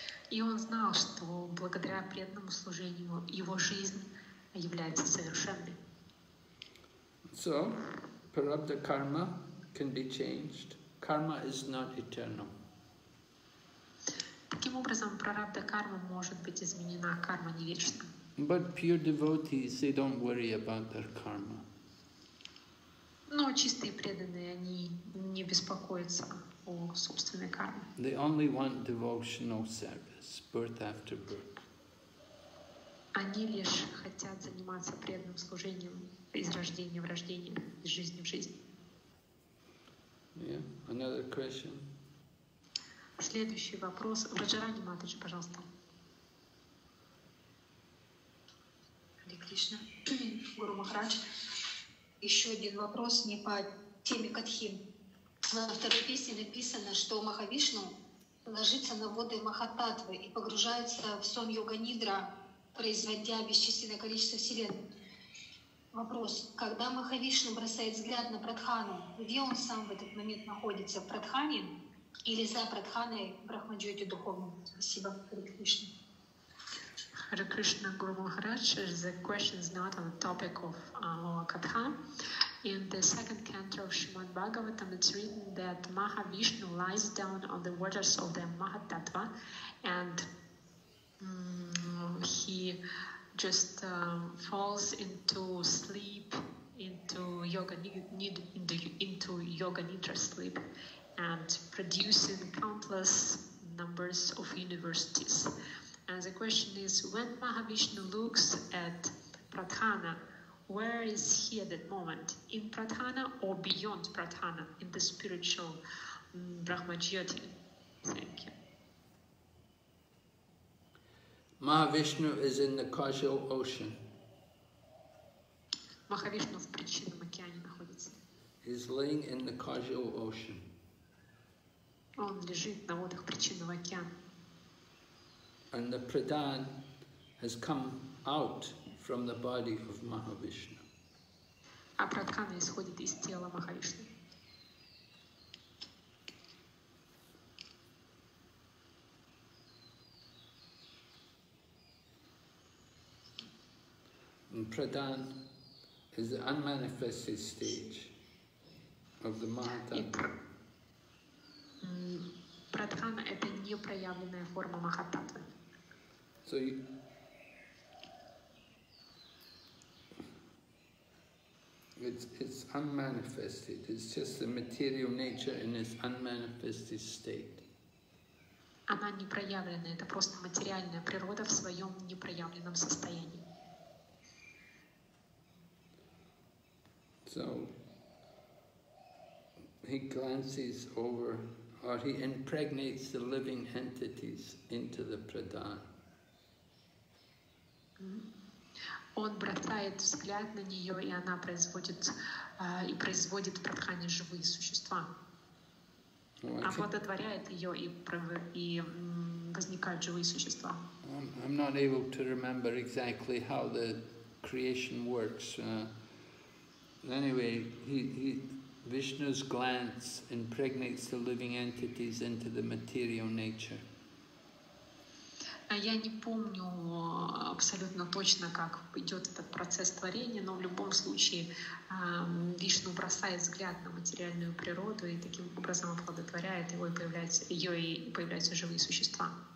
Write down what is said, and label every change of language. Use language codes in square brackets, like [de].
[ru] И он знал, что благодаря преданному служению его жизнь является совершенной. [en] So, prarabdha karma can be changed. Karma is not eternal. [ru] Таким образом, прарабдха карма может быть изменена, карма не вечна. [en] But pure devotees, they don't worry about their karma. [ru] Но чистые преданные, они не беспокоятся о собственной карме. [en] They only want devotional service. Birth after birth. [ru] Они лишь хотят заниматься преданным служением из рождения в рождение, из жизни в жизнь. [en] Yeah. Another question. [ru] Следующий вопрос. Раджарани Матаджи, пожалуйста. Хари Кришна, Гуру Махарадж. Еще один вопрос не по теме катхи. Во второй песне написано, что Махавишну ложится на воды Махататвы и погружается в сон йога-нидра, производя бесчисленное количество вселенной. Вопрос. Когда Махавишну бросает взгляд на Прадхану, где он сам в этот момент находится? В Прадхане или за Прадханой в Брахманджоте духовном? Спасибо, Хари Кришна. [en] Hare Krishna, Guru Maharaj. The question is not on the topic of Katha. In the second canto of Srimad Bhagavatam, it's written that Mahavishnu lies down on the waters of the Mahatattva, and he just falls into sleep, into yoga nidra sleep, and producing countless numbers of universities. And the question is, when Mahavishnu looks at Pradhana, where is he at that moment? In Pradhana or beyond Pradhana, in the spiritual Brahmajyoti? Thank you. Mahavishnu is in the causal ocean. [ru] Mahavishnu в причинном океане находится. [en] He's laying in the causal ocean. [ru] Он лежит на водах причинного океана. [en] And the pradhan has come out from the body of Mahavishnu. [ru] А прадхана исходит из тела Махавишну. [en] And pradhan is the unmanifested stage of the Mahatattva. [ru] Прадхана это не проявленная форма Махататвы. [en] So you, it's unmanifested. It's just the material nature in its unmanifested state. [ru] Она не проявлена. Это просто материальная природа в своем непроявленном состоянии. [en] So he glances over, or he impregnates the living entities into the pradhan. [ru] Он бросает взгляд на нее, и она производит и производит в прадхане живые существа. Оплодотворяет ее, и возникают живые существа. [en] I'm not able to remember exactly how the creation works. Anyway, Vishnu's glance impregnates the living entities into the material nature. [ru] Я не помню абсолютно точно, как идет этот процесс творения, но в любом случае Вишну бросает взгляд на материальную природу и таким образом оплодотворяет его, и появляются живые существа.